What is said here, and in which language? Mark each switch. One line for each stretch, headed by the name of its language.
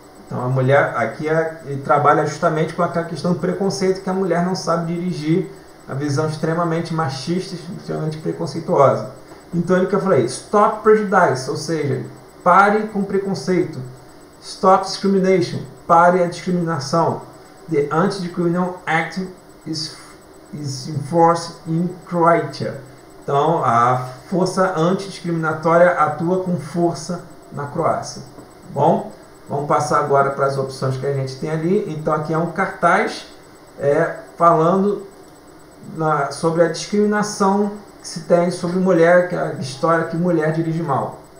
Portuguese: Então a mulher aqui ele trabalha justamente com aquela questão do preconceito que a mulher não sabe dirigir, a visão extremamente machista, extremamente preconceituosa. Então ele que eu falei,
English: Stop Prejudice,
Portuguese: ou seja, pare com preconceito.
English: Stop Discrimination,
Portuguese: pare a discriminação.
English: The Anti-Discrimination Act is in force in Croatia.
Portuguese: Então, a força antidiscriminatória atua com força na Croácia. Bom, vamos passar agora para as opções que a gente tem ali. Então, aqui é um cartaz falando sobre a discriminação que se tem sobre mulher, que é a história que mulher dirige mal.